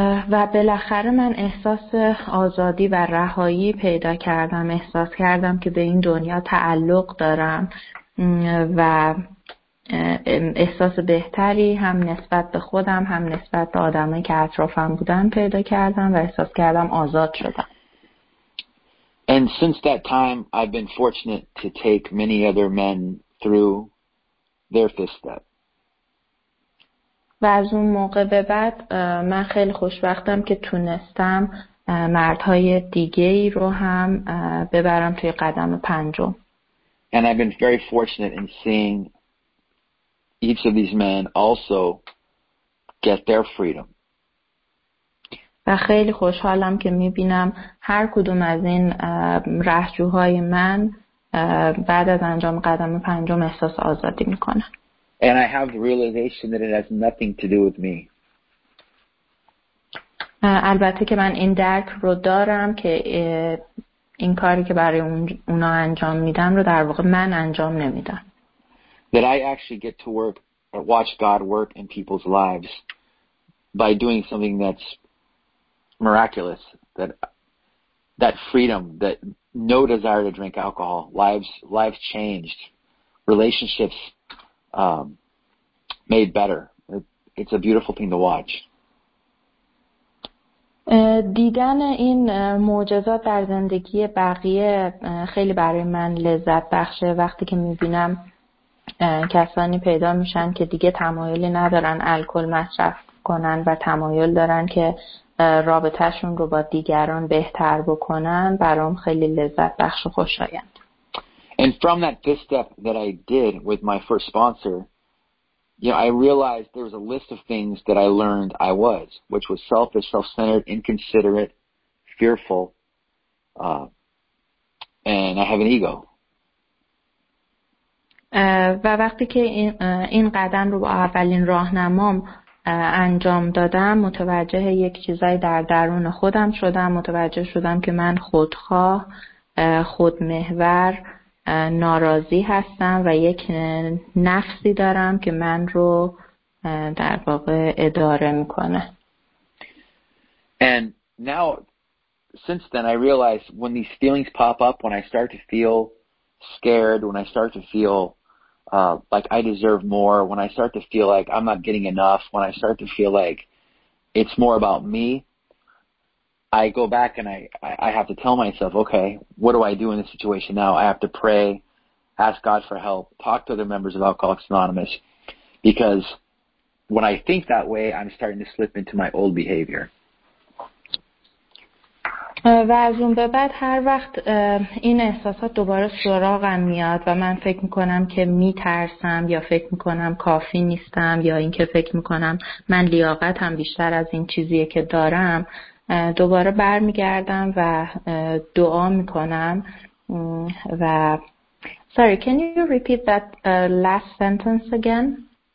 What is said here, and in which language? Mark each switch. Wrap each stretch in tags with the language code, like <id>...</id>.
<fa>و بالاخره من احساس آزادی و رهایی پیدا کردم. احساس کردم که به این دنیا تعلق دارم و احساس بهتری هم نسبت به خودم هم نسبت به آدمایی که اطرافم بودن پیدا کردم و احساس کردم آزاد شدم.</fa> <en>And since that time, I've been fortunate to take many other men through their fifth step.</en> <fa>و از اون موقع به بعد من خیلی خوشبختم که تونستم مردهای دیگه‌ای رو هم ببرم توی قدم پنجم.</fa> <en>And I've been very fortunate in seeing each of these men also get their freedom.</en> <fa>و خیلی خوشحالم که می‌بینم هر کدوم از این رهجوهای من بعد از انجام قدم پنجم احساس آزادی می‌کنن.</fa> <en>And I have the realization that it has nothing to do with me.</en> <fa>البته که من این درک رو دارم که این کاری که برای اونا انجام میدم رو در واقع من انجام نمیدم.</fa> <en>That I actually get to work or watch God work in people's lives by doing something that's miraculous, that that freedom, that no desire to drink alcohol, lives changed, relationships made better. It's a beautiful thing to watch.</en> <fa>دیدن این معجزات در زندگی بقیه خیلی برای من لذت بخشه. وقتی که میبینم کسانی پیدا میشن که دیگه تمایلی ندارن الکل مصرف کنن و تمایل دارن که رابطهشون رو با دیگران بهتر بکنن، برام خیلی لذت بخش و خوشایند.</fa> <en>And from that fifth step that I did with my first sponsor, you know, I realized there was a list of things that I learned I was, which was selfish, self-centered, inconsiderate, fearful, and I have an ego.</en> <fa>و وقتی که این قدم رو با اولین راهنمام انجام دادم، متوجه یک چیزایی در درون خودم شدم، متوجه شدم که من خودخواه، خودمحور، ناراضی هستم و یک نفسی دارم که من رو در واقع اداره میکنه.</fa> <en>And now, since then, I realize when these feelings pop up, when I start to feel scared, when I start to feel like I deserve more, when I start to feel like I'm not getting enough, when I start to feel like it's more about me, I go back and I have to tell myself, okay, what do I do in this situation now? I have to pray, ask God for help, talk to other members of Alcoholics Anonymous, because when I think that way, I'm starting to slip into my old behavior.</en> <fa>و از اون به بعد هر وقت این احساسات دوباره سراغم میاد و من فکر میکنم که میترسم یا فکر میکنم کافی نیستم یا اینکه فکر میکنم من لیاقتم بیشتر از این چیزیه که دارم، دوباره برمیگردم و دعا میکنم و</fa> <en>Sorry, can you repeat that last sentence again?</en>